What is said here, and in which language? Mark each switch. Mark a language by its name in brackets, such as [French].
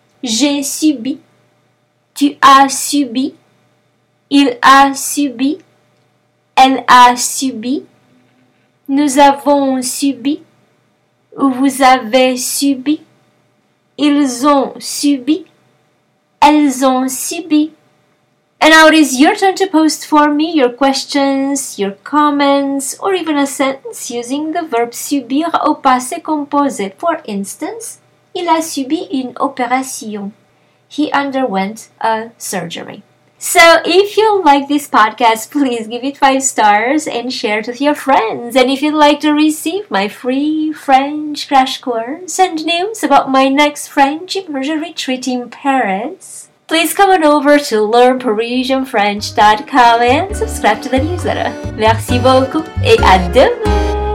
[French] J'ai subi, tu as subi, il a subi, elle a subi, nous avons subi, vous avez subi, ils ont subi, elles ont subi. [English] And now it is your turn to post for me your questions, your comments, or even a sentence using the verb subir [French] au passé composé. [English] For instance, [French] il a subi une opération. [English] He underwent a surgery. So if you like this podcast, please give it 5 stars and share it with your friends. And if you'd like to receive my free French crash course and news about my next French immersion retreat in Paris, please come on over to learnparisianfrench.com and subscribe to the newsletter. [French] Merci beaucoup et à demain!